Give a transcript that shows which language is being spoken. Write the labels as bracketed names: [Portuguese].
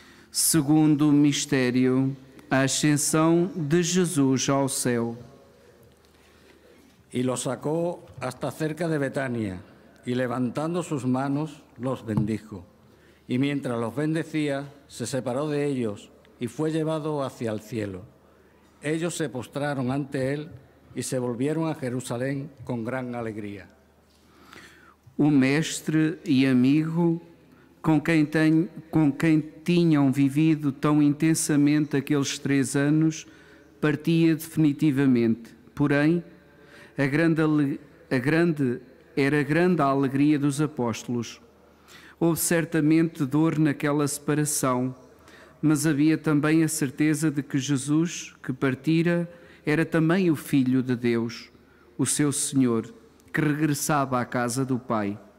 [Portuguese] Segundo mistério, a ascensão de Jesus ao céu. [Spanish] E los sacó hasta cerca de Betania, y levantando sus manos, los bendijo. Y mientras los bendecía, se separó de ellos y fue llevado hacia el cielo. Ellos se postraron ante él y se volvieron a Jerusalén con gran alegría. [Portuguese] O mestre e amigo com quem tinham vivido tão intensamente aqueles 3 anos, partia definitivamente. Porém, a grande era grande a alegria dos apóstolos. Houve certamente dor naquela separação, mas havia também a certeza de que Jesus, que partira, era também o Filho de Deus, o seu Senhor, que regressava à casa do Pai.